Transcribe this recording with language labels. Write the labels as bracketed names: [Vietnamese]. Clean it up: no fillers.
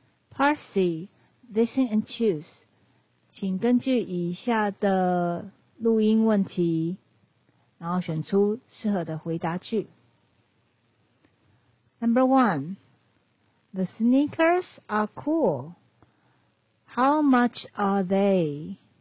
[English] Part C, listen and choose. [Chinese] 请根据以下的录音问题，然后选出适合的回答句。 [English] Number one, the sneakers are cool. How much are they?